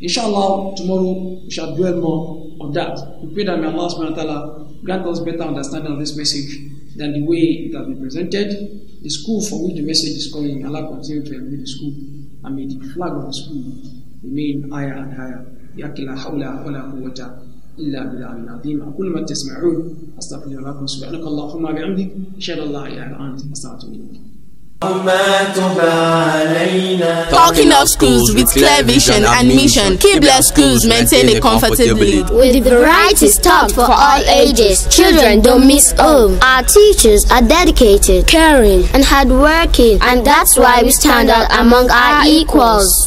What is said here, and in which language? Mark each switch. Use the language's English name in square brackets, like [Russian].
[English] Inshallah, tomorrow we shall dwell more on that. We pray that may Allah subhanahu wa ta'ala grant us better understanding of this message than the way it has been presented. The school for which the message is coming, Allah continue to elevate the school. And may the flag of the school remain higher and higher. [Arabic] Yaqila hawla wala quwwata إلا بالعلم العظيم. أقول ما تسمعون أستغفر الله لكم سبحانك اللهم وبحمدك أشهد أن لا إله إلا أنت أستغفرك وأتوب إليك. [English] Talking of schools with clear vision and mission, Kibla schools maintain a comfortable lead. With the variety stocked for all ages, children don't miss home. Our teachers are dedicated, caring, and hardworking, and that's why we stand out among our equals.